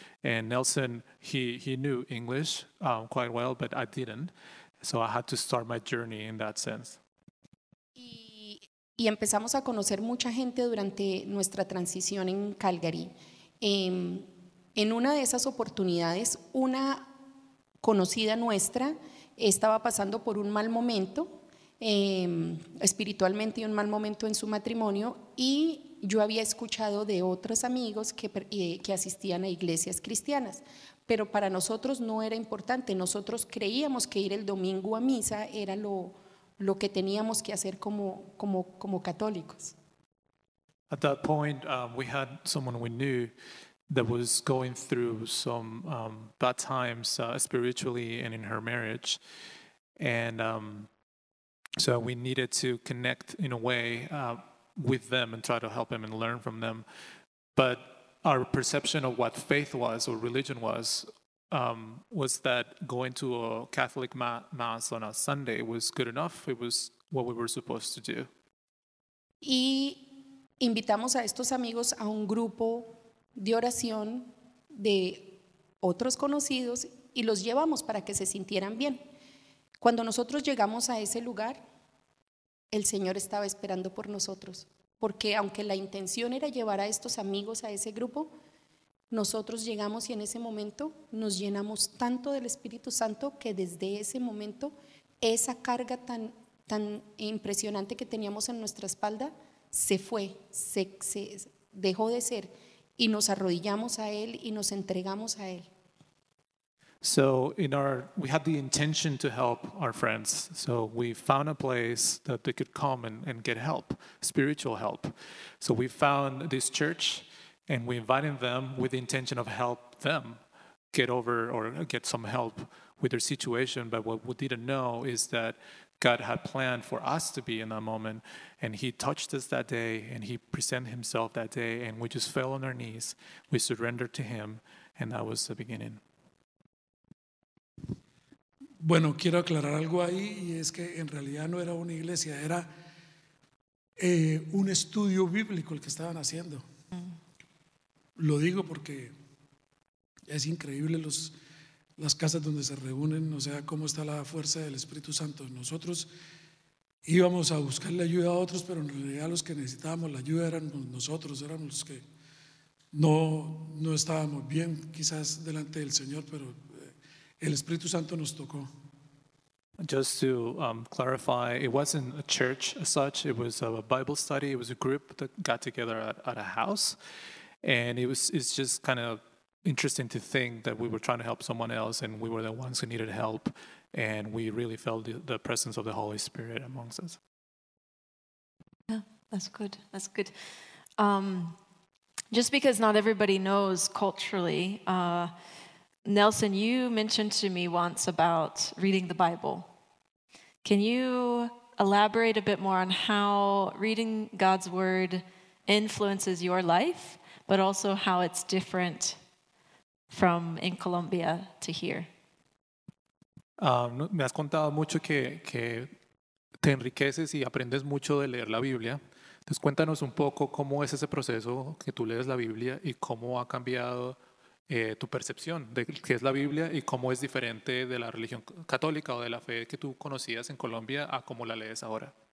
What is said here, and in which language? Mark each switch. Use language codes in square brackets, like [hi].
[en] And Nelson, he knew English quite well, but I didn't. So I had to start my journey in that sense. [es] Y empezamos a conocer mucha gente durante nuestra transición en Calgary. En una de esas oportunidades, una conocida nuestra estaba pasando por un mal momento, espiritualmente, y un mal momento en su matrimonio, y yo había escuchado de otros amigos que asistían a iglesias cristianas, pero para nosotros no era importante. Nosotros creíamos que ir el domingo a misa era lo que teníamos que hacer como católicos. [en] At that point, we had someone we knew that was going through some bad times spiritually and in her marriage, and so we needed to connect in a way with them and try to help them and learn from them. But our perception of what faith was or religion was that going to a Catholic mass on a Sunday was good enough. It was what we were supposed to do. [es] Y invitamos a estos amigos a un grupo de oración de otros conocidos y los llevamos para que se sintieran bien. Cuando nosotros llegamos a ese lugar, el Señor estaba esperando por nosotros, porque aunque la intención era llevar a estos amigos a ese grupo, nosotros llegamos y en ese momento nos llenamos tanto del Espíritu Santo que desde ese momento esa carga tan impresionante que teníamos en nuestra espalda se fue, se dejó de ser, y nos arrodillamos a Él y nos entregamos a Él. [en] So in our, we had the intention to help our friends. So we found a place that they could come and get help, spiritual help. So we found this church and we invited them with the intention of help them get over or get some help with their situation. But what we didn't know is that God had planned for us to be in that moment, and he touched us that day, and he presented himself that day, and we just fell on our knees. We surrendered to him, and that was the beginning. [es] Bueno, quiero aclarar algo ahí, y es que en realidad no era una iglesia, era un estudio bíblico el que estaban haciendo. Lo digo porque es increíble los... las casas donde se reúnen, o sea, cómo está la fuerza del Espíritu Santo. Nosotros íbamos a buscarle ayuda a otros, pero en realidad los que necesitábamos la ayuda eran nosotros, éramos los que no estábamos bien quizás delante del Señor, pero el Espíritu Santo nos tocó. [en] Just to clarify, it wasn't a church as such, it was a Bible study, it was a group that got together at a house, and it's just kind of interesting to think that we were trying to help someone else and we were the ones who needed help, and we really felt the presence of the Holy Spirit amongst us. Yeah, that's good. That's good. Just because not everybody knows culturally, Nelson, you mentioned to me once about reading the Bible. Can you elaborate a bit more on how reading God's word influences your life, but also how it's different from in Colombia to here? [es] Me has contado mucho que te enriqueces y aprendes mucho de leer la Biblia. Entonces cuéntanos un poco cómo es ese proceso que tú lees la Biblia y cómo ha cambiado tu percepción de qué es la Biblia y cómo es diferente de la religión católica o de la fe que tú conocías en Colombia a cómo la lees ahora.